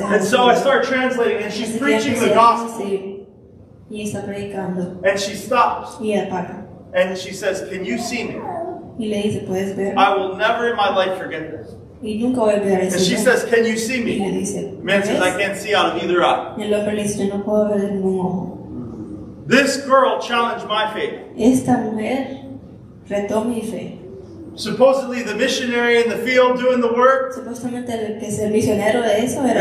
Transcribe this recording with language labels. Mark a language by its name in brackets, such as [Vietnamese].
[English] and so I start translating, and she's preaching the gospel. [Spanish] Sí. Y está predicando. [English] And she stops. [Spanish] Y ella para. [English] And she says, can you see me? [Spanish] Y le dice, ¿puedes ver? [English] I will never in my life forget this. [Spanish] Y nunca voy a ver [English] and she says, can you see me? [Spanish] Y le dice, [English] man says, I can't see out of either eye. [Spanish] Y el hombre le dice, no puedo ver de ningún ojo. [English] This girl challenged my faith. [Spanish] Esta mujer retó mi fe. [English] Supposedly the missionary in the field doing the work. [Spanish] Supuestamente el que es el misionero de eso era.